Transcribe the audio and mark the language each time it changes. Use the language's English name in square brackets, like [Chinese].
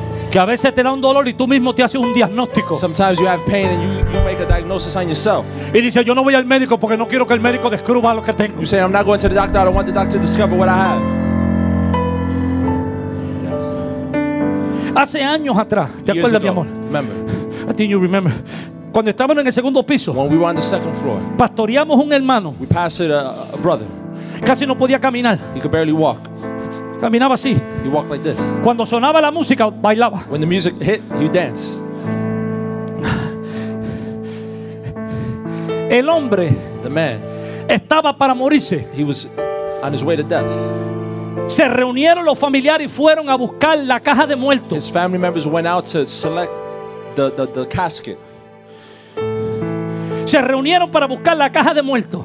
[Spanish] Que a veces te da un dolor y tú mismo te haces un diagnóstico. [English] Sometimes you have pain and you make a diagnosis on yourself. [Spanish] Y dice yo no voy al médico porque no quiero que el médico descubra lo que tengo. [English] You say I'm not going to the doctor. I don't want the doctor to discover what I have. [Spanish] Hace años atrás, ¿te acuerdas, mi amor? [English] Remember. I think you remember. [Spanish] Cuando estábamos en el segundo piso. [English] When we were on the second floor. [Spanish] Pastoreamos un hermano. [English] We pastored a brother. [Spanish] Casi no podía caminar. [English] He could barely walk. [Spanish] Caminaba así. [English] He walked like this. [Spanish] Cuando sonaba la música, bailaba. [English] When the music hit, he danced. [Spanish] El hombre, [English] the man, [Spanish] estaba para morirse. [English] He was on his way to death. [Spanish] Se reunieron los familiares y fueron a buscar la caja de muertos. [English] His family members went out to select the casket. [Spanish] Se reunieron para buscar la caja de muertos.